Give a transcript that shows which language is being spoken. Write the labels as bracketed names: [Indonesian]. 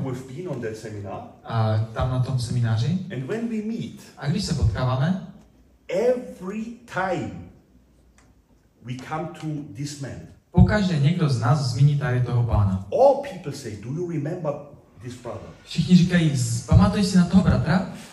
[English] Who have been on that seminar. [Czech] A tam na tom semináři. [English] And when we meet. [Czech] A když se potkáváme. [English] Every time we come to this man. [Czech] Pokaždé někdo z nás zmíní tady toho pána. [English] All people say, do you remember this brother? [Czech] Všichni říkají, pamatuješ si na toho bratra?